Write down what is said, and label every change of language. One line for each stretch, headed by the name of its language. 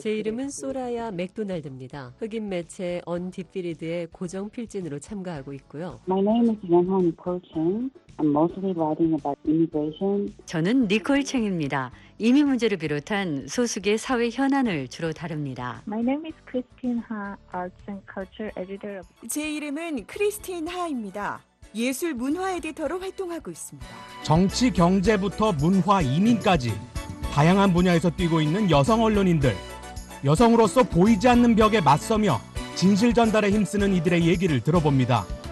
Korean: 제 이름은 소라야 맥도날드입니다. 흑인 매체 언디피리드의 고정 필진으로 참가하고 있고요.
English: My name is Yeonhun Kochung. I'm mostly writing about immigration.
Korean: 저는 니콜 챙입니다. 이민 문제를 비롯한 소수계 사회 현안을 주로 다룹니다.
English: My name is Christine Ha, Arts and Culture Editor.
Korean: 제 이름은 크리스틴 하입니다. 예술 문화 에디터로 활동하고 있습니다. 정치, 경제부터 문화, 이민까지 다양한 분야에서 뛰고 있는 여성 언론인들. 여성으로서 보이지 않는 벽에 맞서며 진실 전달에 힘쓰는 이들의 얘기를 들어봅니다.